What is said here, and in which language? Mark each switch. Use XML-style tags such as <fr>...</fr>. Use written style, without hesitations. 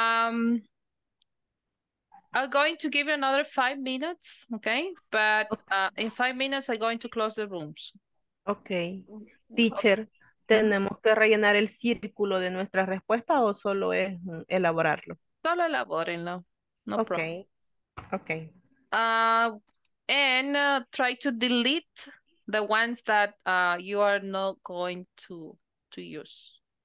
<en>I'm going to give you another 5 minutes, okay? But in 5 minutes, I'm going to close the rooms. Okay.</en> <es>Teacher, ¿tenemos que rellenar el círculo de nuestra respuesta o solo es elaborarlo? Solo elabórenlo.</es> <en>No problem. Okay. And try to delete the ones that you are not going to use.</en>